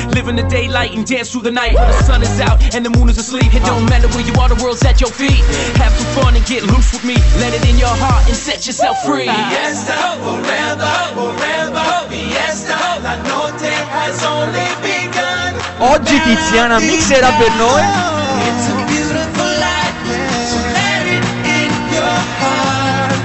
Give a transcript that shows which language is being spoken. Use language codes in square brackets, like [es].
[en] Living the daylight and dance through the night. When the sun is out and the moon is asleep, it don't matter where you are, the world's at your feet. Have some fun and get loose with me. Let it in your heart and set yourself free. Fiesta forever. Fiesta, [it] la notte [en] has only begun. [it] Oggi Tiziana mixerà per noi. [en] It's a beautiful light, so let it in your heart.